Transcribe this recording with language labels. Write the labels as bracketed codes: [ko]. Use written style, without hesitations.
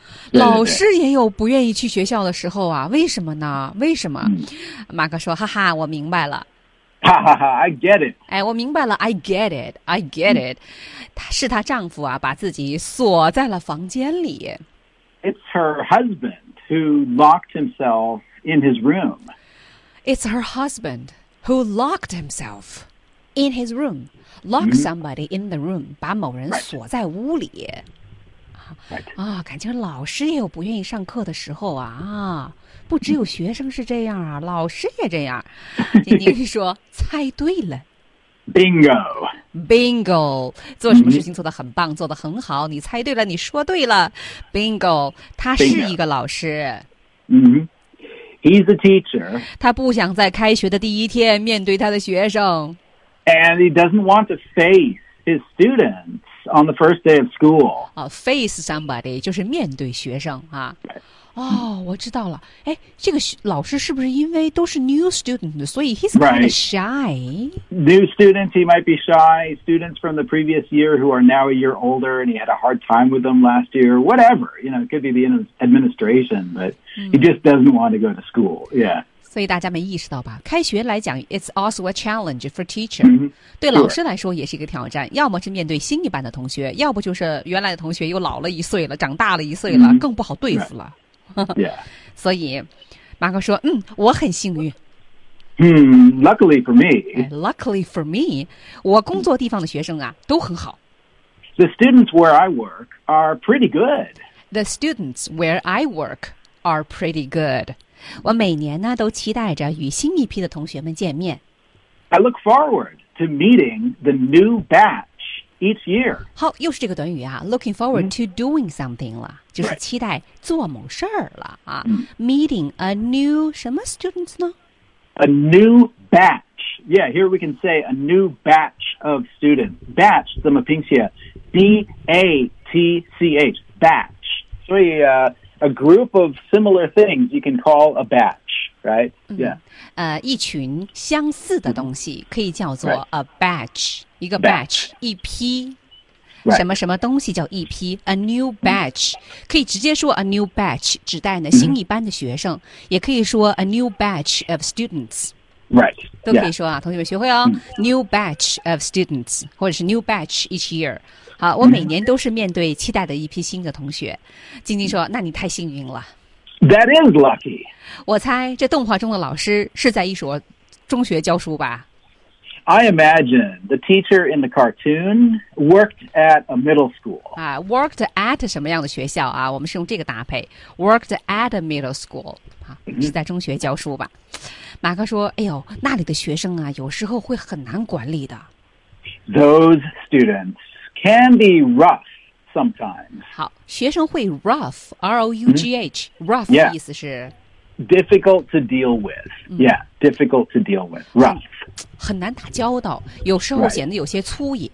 [zh] 老师也有不愿意去学校的时候啊，为什么呢？为什么？马克说：“哈哈，我明白了。” [en] 哈哈哈 ，I get it。 [zh] 哎，我明白了 [en] ，I get it，I get it。 [zh] 她是她丈夫啊，把自己锁在了房间里。 [en] It's her husband who locked himself in his room. It's her husband who locked himself in his room. Lock somebody in the room， [zh] 把某人锁在屋里。 [en] Right. [zh] 啊，感情老师也有不愿意上课的时候啊！啊，不只有学生是这样啊，老师也这样。今天是说猜对了 [en] ，bingo，bingo， [zh] 做什么事情做得很棒，做得很好，你猜对了，你说对了 ，bingo， 他是一个老师。 [en] He's a teacher。 [zh] 他不想在开学的第一天面对他的学生。 [en] And he doesn't want to face his students. On the first day of school, [zh] face somebody 就是面对学生啊。 [en] Right. [zh] 哦，我知道了。哎，这个老师是不是因为都是 [en] new student， [zh] 所以 [en] he's kind of shy? New students, he might be shy. Students from the previous year who are now a year older, and he had a hard time with them last year. Whatever, you know, it could be the administration, but he just doesn't want to go to school. Yeah. [zh] 所以大家没意识到吧？开学来讲 ， [en] it's also a challenge for teacher、 [zh] 对老师来说也是一个挑战。要么是面对新一班的同学，要不就是原来的同学又老了一岁了，长大了一岁了，更不好对付了。 [en] Yeah. [zh] 所以，马克说：“我很幸运。 [en] Luckily for me. Luckily for me. [zh] 我工作地方的学生啊，都很好。 [en] The students where I work are pretty good. The students where I work are pretty good. [zh] 我每年呢都期待着与新一批的同学们见面。 [en] I look forward to meeting the new batch each year. [zh] 好，又是这个短语啊 ， [en] looking forward to doing something [zh] 了， [en] right. [zh] 就是期待做某事儿了啊。 [en] Meeting a new [zh] 什么 [en] students 呢？A new batch. Yeah, here we can say a new batch of students. Batch [zh] 怎么拼写 [en] ？B-A-T-C-H. Batch. [zh] 所以啊。 [en] A group of similar things you can call a batch, right? Yeah. [zh] 一群相似的东西可以叫做 a batch,、 [en] right. [zh] 一个 batch, 一批、 [en] right. [zh] 什么什么东西叫一批 [en] a new batch,、 [zh] 可以直接说 a new batch, 指代呢新一班的学生、也可以说 [en] a new batch of students. Right. [zh] 都可以说啊、同学们学会哦、 [en] new batch of students, [zh] 或者是 [en] new batch each year. [zh] 好，我每年都是面对期待的一批新的同学。晶晶说：“那你太幸运了。” [en] That is lucky. [zh] 我猜这动画中的老师是在一所中学教书吧 [en] ？I imagine the teacher in the cartoon worked at a middle school. [zh] 啊 ，worked at 什么样的学校啊？我们是用这个搭配 ， [en] worked at a middle school. [zh] 啊，是在中学教书吧？马克说：“哎呦，那里的学生啊，有时候会很难管理的。” [en] Those students. Can be rough sometimes. [zh] 好，学生会 rough, R-O-U-G-H,、rough 的意思是 [en] difficult to deal with.、Yeah, difficult to deal with. Rough, [zh] 很难打交道，有时候显得有些粗野，